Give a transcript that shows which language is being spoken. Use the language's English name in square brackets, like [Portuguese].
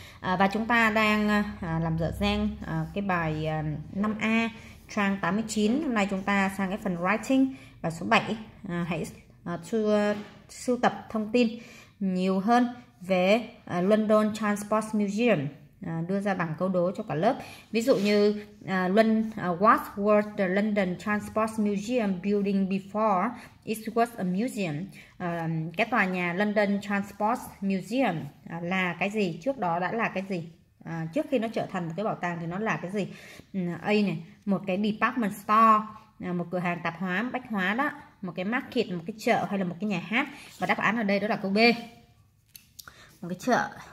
[Vietnamese] Và chúng ta đang làm dở dang cái bài 5A trang 89. Hôm nay chúng ta sang cái phần writing bài số 7. Hãy sưu tập thông tin nhiều hơn về London Transport Museum. Đưa ra bảng câu đố cho cả lớp. Ví dụ như [English] what was the London Transport Museum building before it was a museum? [Vietnamese] Cái tòa nhà London Transport Museum là cái gì? Trước đó đã là cái gì? Trước khi nó trở thành một cái bảo tàng thì nó là cái gì? A này, một cái department store, một cửa hàng tạp hóa, bách hóa đó, một cái market, một cái chợ hay là một cái nhà hát. Và đáp án ở đây đó là câu B. Một cái chợ.